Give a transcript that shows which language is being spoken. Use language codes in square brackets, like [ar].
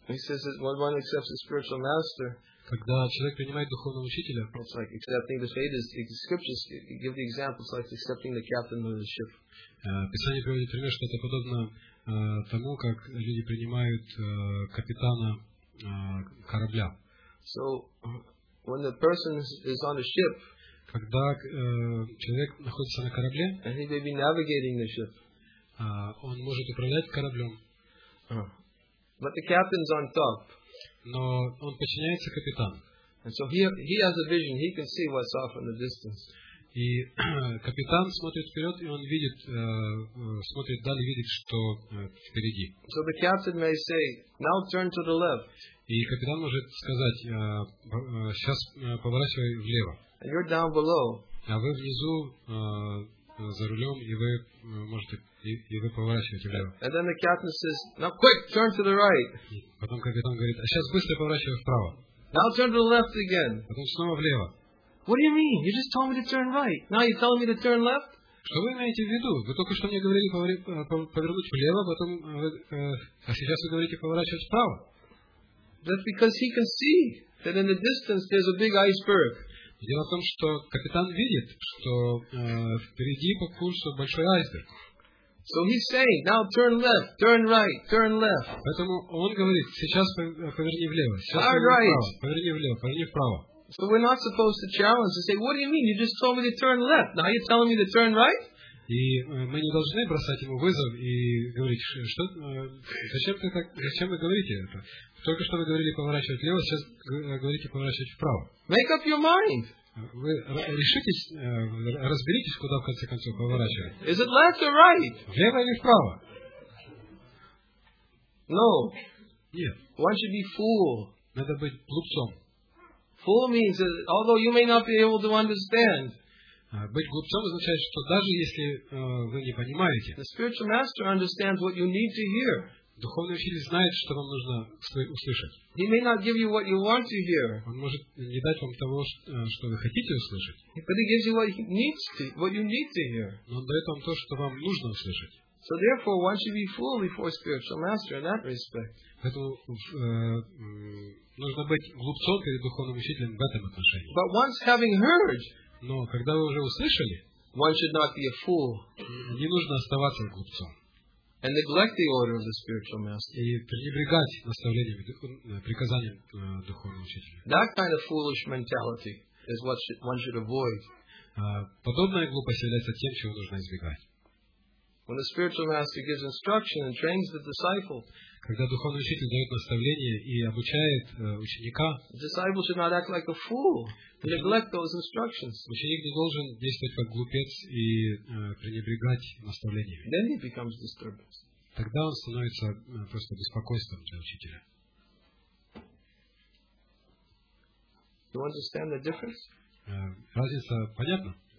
[en] He says that when one accepts a spiritual master. [ru] Когда человек принимает духовного учителя, [en] it's like accepting the Vedas. The scriptures give the example. It's like accepting the captain of the ship. [ru] Писание приводит пример, что это подобно тому, как люди принимают капитана корабля. [en] So when the person is on a ship, [ru] когда человек находится на корабле, [en] and he may be navigating the ship, [ru] он может управлять кораблем. [en] But the captain's on top. [ru] Но он подчиняется капитану. [en] And so he has a vision. He can see what's off in the distance. [ru] И капитан смотрит вперед, и он видит, смотрит далее, видит, что впереди. [en] So the captain may say, now turn to the left. [ru] И капитан может сказать, сейчас поворачивай влево. [en] And you're down below. [ru] А вы внизу за рулем, и вы можете, и вы поворачиваете влево. [en] And then the captain says, now quick, turn to the right. [ru] И потом капитан говорит, а сейчас быстро поворачивай вправо. [en] Now turn to the left again. [ru] Потом снова влево. [en] What do you mean? You just told me to turn right. Now you're telling me to turn left? [ru] Что вы имеете в виду? Вы только что мне говорили повернуть влево, потом а сейчас вы говорите поворачивать вправо. [en] That's because he can see that in the distance there's a big iceberg. [ru] Дело в том, что капитан видит, что впереди по курсу большой айсберг. [en] So he's saying, now turn left, turn right, turn left. [ru] Поэтому он говорит, сейчас поверни влево, сейчас поверни вправо, поверни влево, поверни вправо. [en] So we're not supposed to challenge and say, what do you mean? You just told me to turn left. Now you're telling me to turn right? [ru] И мы не должны бросать ему вызов и говорить, что, зачем ты так, зачем вы говорите это? Только что вы говорили поворачивать влево, сейчас говорите поворачивать вправо. [en] Make up your mind. [ru] Вы решитесь, разберитесь, куда в конце концов поворачивать. [en] Is it left or right? [ru] Влево или вправо? [en] No. [ru] Нет. [en] One should be fool. [ru] Надо быть глупцом. [en] Fool means that, although you may not be able to understand. [ru] Быть глупцом означает, что даже если вы не понимаете. [en] The spiritual master understands what you need to hear. [ru] Духовный учитель знает, что вам нужно услышать. [en] He may not give you what you want to hear. [ru] Он может не дать вам того, что вы хотите услышать. [en] But he gives you what he needs to, what you need to hear. [ru] Но он дает вам то, что вам нужно услышать. [en] So therefore, one should be fool before spiritual master in that respect. [ru] Поэтому нужно быть глупцом перед духовным учителем в этом отношении. [en] But once having heard, [ru] но когда вы уже услышали, [en] one should not be a fool. [ru] Не нужно оставаться глупцом. [en] And neglect the order of the spiritual master. [ru] И пренебрегать наставлением, приказанием духовного учителя. [en] That kind of foolish mentality is what one should avoid. [ru] Подобная глупость является тем, чего нужно избегать. [en] When the spiritual master gives instruction and trains the disciple, [ru] когда духовный учитель дает наставление и обучает ученика, [en] the disciple should not act like a fool and neglect those instructions. [ru] Ученик не должен действовать как глупец и пренебрегать наставлениями. [en] Then he becomes disturbed. [ru] Тогда он становится просто беспокойством для учителя. [en] You understand the difference? [ru] Разница понятна?